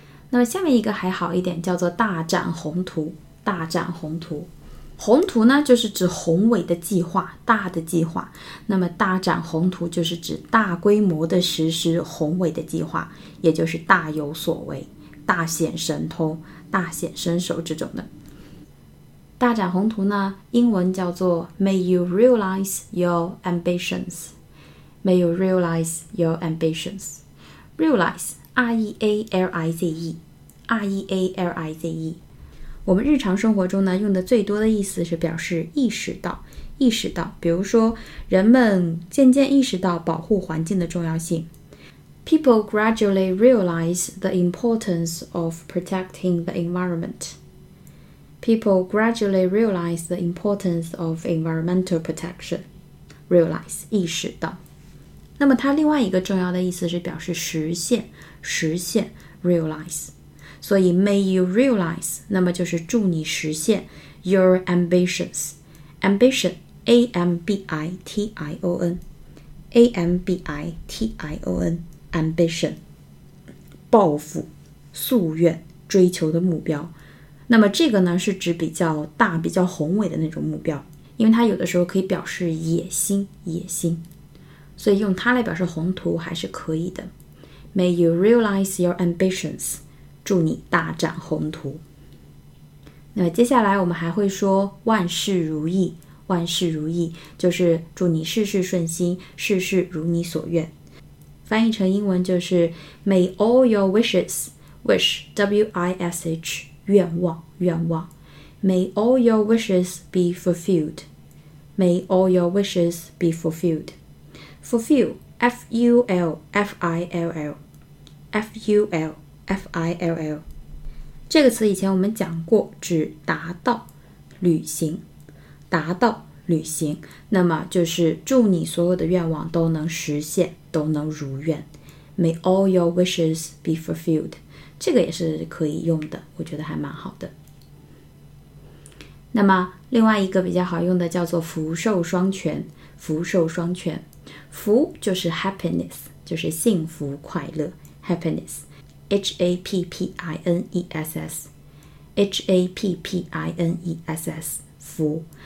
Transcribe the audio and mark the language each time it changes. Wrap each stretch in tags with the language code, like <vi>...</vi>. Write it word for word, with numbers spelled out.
<zh>那么下面一个还好一点，叫做大展宏图，大展宏图。宏图呢，就是指宏伟的计划，大的计划。那么大展宏图就是指大规模的实施宏伟的计划，也就是大有所为，大显神通，大显身手这种的。大展宏图呢，英文叫做</zh> <en>May you realize your ambitions。 May you realize your ambitions。</en> <zh>Realize R E A L I Z E R E A L I Z E。我们日常生活中呢，用的最多的意思是表示意识到，意识到。比如说，人们渐渐意识到保护环境的重要性。</zh> <en>People gradually realize the importance of protecting the environment. People gradually realize the importance of environmental protection.</en> <zh>Realize 意识到。那么它另外一个重要的意思是表示实现，实现 realize。所以</zh> <en>may you realize</en> <zh>那么就是祝你实现 your ambitions。 ambition A M B I T I O N A M B I T I O N ambition 抱负，夙愿，追求的目标。那么这个呢是指比较大比较宏伟的那种目标，因为它有的时候可以表示野心野心，所以用它来表示宏图还是可以的。</zh> <en>May you realize your ambitions，</en> <zh>祝你大展宏图。那么接下来我们还会说万事如意，万事如意就是祝你事事顺心，事事如你所愿，翻译成英文就是 May all your wishes， wish W I S H 愿望愿望</zh> <en>May all your wishes be fulfilled，</en> <zh>May all your wishes be fulfilled。 Fulfill F U L F I L L F U L F I L L 这个词以前我们讲过，指达到履行，达到履行，那么就是祝你所有的愿望都能实现，都能如愿。</zh> <en>May all your wishes be fulfilled，</en> <zh>这个也是可以用的，我觉得还蛮好的。那么另外一个比较好用的叫做福寿双全，福寿双全，福就是 happiness， 就是幸福快乐 happiness H A P P I N E S S H A P P I N E S S 福。</zh>